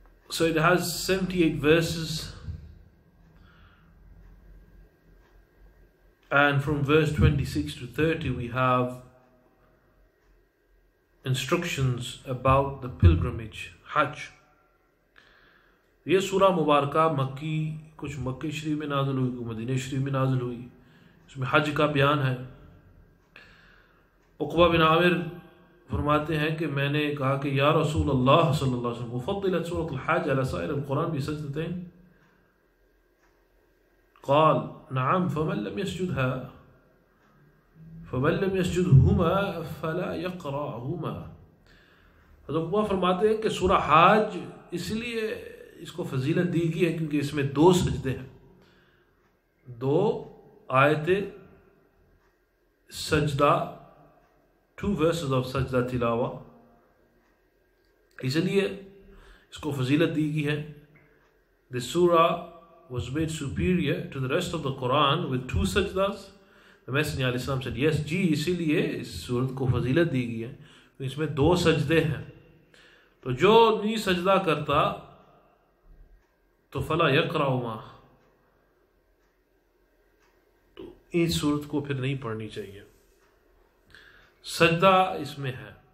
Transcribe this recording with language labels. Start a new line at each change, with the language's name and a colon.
English: So it has 78 verses, and from verse 26 to 30 we have instructions about the pilgrimage, Hajj.
Urdu: یہ سورہ مبارکہ مکی, کچھ مکہ شریف میں نازل ہوئی, کچھ مدینہ شریف میں نازل ہوئی, اس میں حج کا بیان ہے. عقبہ بن عامر فرماتے ہیں کہ میں نے کہا کہ
Arabic: یا رسول اللہ صلی اللہ علیہ وسلم وفضلت سورة الحج على سائر القرآن بسجدتین, قال نعم فمن لم يسجدهما فلا يقرأهما.
Urdu: حضرت عقبہ فرماتے ہیں کہ سورہ حج اس لیے اس کو فضیلت دی گئی ہے کیونکہ اس میں دو سجدے ہیں, دو آیتیں سجدہ,
English: two verses of
Urdu: سجدہ تلاوہ, اس لیے اس کو فضیلت دی گئی ہے.
English: The surah was made superior to the rest of the Quran with two sajdas. The Messenger
Urdu: علیہ السلام
English: said yes
Urdu: جی, اسی لیے اس سورت کو فضیلت دی گئی ہے کیونکہ اس میں دو سجدے ہیں. تو جو نہیں سجدہ کرتا تو
Arabic: فلا یقرأهما,
Urdu: تو اس سورت کو پھر نہیں پڑھنی چاہیے, سجدہ اس میں ہے.